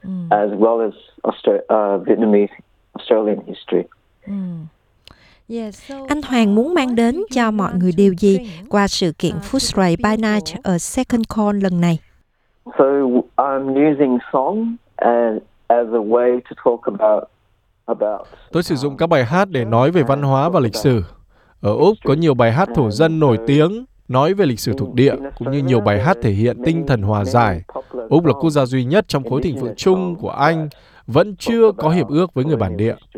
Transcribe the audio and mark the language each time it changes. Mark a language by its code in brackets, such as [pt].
[en] As well as Vietnamese Australian history. [vi] Anh Hoàng muốn mang đến cho mọi người điều gì qua sự kiện Footscray by Night A Second Call lần này? [en] So I'm using song as a way to talk about. [vi] Tôi sử dụng các bài hát để nói về văn hóa và lịch sử. Ở Úc có nhiều bài hát thổ dân nổi tiếng nói về lịch sử thuộc địa, cũng như nhiều bài hát thể hiện tinh thần hòa giải. Úc là quốc gia duy nhất trong khối thịnh vượng chung của Anh vẫn chưa có hiệp ước với người bản địa.